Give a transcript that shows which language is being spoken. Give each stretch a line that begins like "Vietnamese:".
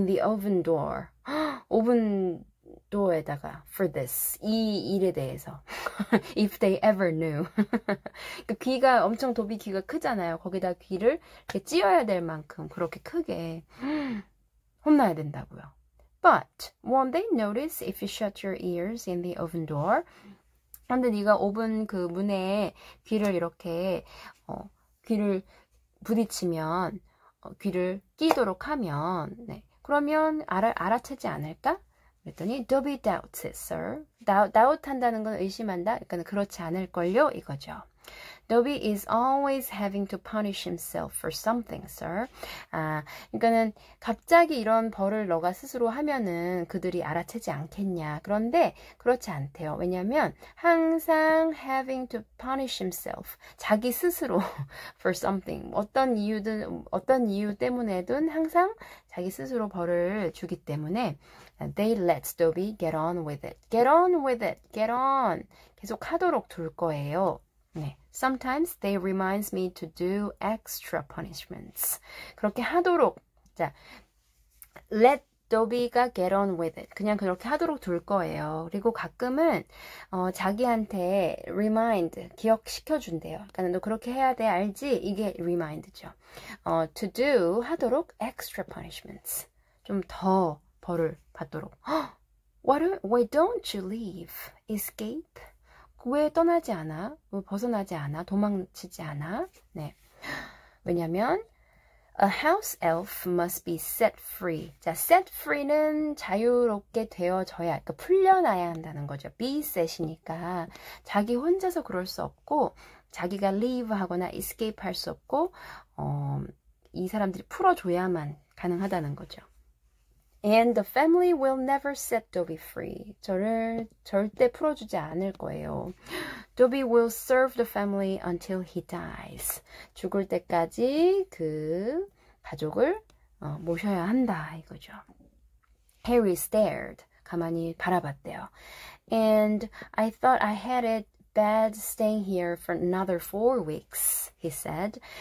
English: In the oven door.
Korean: 오븐 도어에다가
English: for this
Korean: 이 일에 대해서
English: if they ever knew
Korean: 그 귀가 엄청 도비 귀가 크잖아요. 거기다 귀를 이렇게 찧어야 될 만큼 그렇게 크게 혼나야 된다고요.
English: But won't they notice if you shut your ears in the oven door?
Korean: 근데 네가 오븐 그 문에 귀를 이렇게 귀를 부딪히면 귀를 끼도록 하면 네 그러면 알아채지 않을까? 그랬더니
English: Dobby doubts it, sir. Doubt
Korean: 한다는 건 의심한다. 그러니까 그렇지 않을걸요 이거죠.
English: Dobby is always having to punish himself for something, sir.
Korean: 아, 그러니까는 갑자기 이런 벌을 너가 스스로 하면은 그들이 알아채지 않겠냐. 그런데 그렇지 않대요. 왜냐하면 항상
English: having to punish himself,
Korean: 자기 스스로
English: for something,
Korean: 어떤 이유 때문에든 항상 자기 스스로 벌을 주기 때문에
English: they let Dobby get on
Korean: with it, get on with it, get on 계속 하도록 둘 거예요. 네.
English: Sometimes they reminds me to do extra punishments.
Korean: 그렇게 하도록 자, let Dobby가
English: get on with it.
Korean: 그냥 그렇게 하도록 둘 거예요. 그리고 가끔은 자기한테 remind 기억시켜 준대요. 그러니까 너 그렇게 해야 돼. 알지? 이게 remind죠.
English: To do
Korean: 하도록
English: extra punishments.
Korean: 좀더 벌을 받도록.
English: Why don't you leave? Escape?
Korean: 왜 떠나지 않아? 왜 벗어나지 않아? 도망치지 않아? 네. 왜냐면
English: a house elf must be set free.
Korean: 자, set free는 자유롭게 되어져야, 그러니까 풀려나야 한다는 거죠. be set이니까 자기 혼자서 그럴 수 없고 자기가 leave 하거나 escape 할수 없고 이 사람들이 풀어줘야만 가능하다는 거죠.
English: And the family will never set Dobby free.
Korean: 저를 절대 풀어주지 않을 거예요.
English: Dobby will serve the family until he dies.
Korean: 죽을 때까지 그 가족을 모셔야 한다 이거죠.
English: Harry stared.
Korean: 가만히 바라봤대요.
English: And I thought I had it bad staying here for another 4 weeks, he said.